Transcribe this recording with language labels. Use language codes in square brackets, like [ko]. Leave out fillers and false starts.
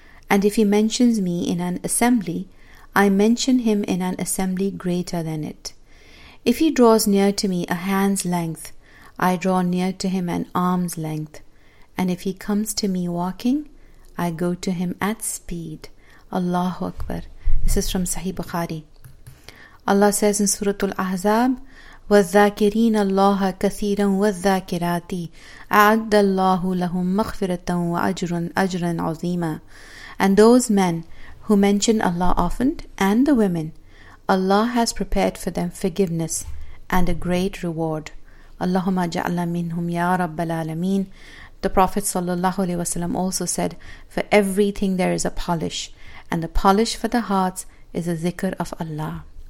[en] And if he mentions me in an assembly, I mention him in an assembly greater than it. If he draws near to me a hand's length, I draw near to him an arm's length. And if he comes to me walking, I go to him at speed. Allahu Akbar. This is from Sahih Bukhari. Allah says in Surah Al-Ahzab, [ar] وَالذَّاكِرِينَ اللَّهَ كَثِيرًا وَالذَّاكِرَاتِ أَعَدَّ اللَّهُ لَهُمْ مَغْفِرَةً وَأَجْرًا عَظِيمًا. [en] And those men who mention Allah often, and the women, Allah has prepared for them forgiveness and a great reward. Allahumma ja'alna minhum ya rabbal alameen. The Prophet sallallahu alaihi wasallam also said, for everything there is a polish, and the polish for the hearts is a zikr of Allah.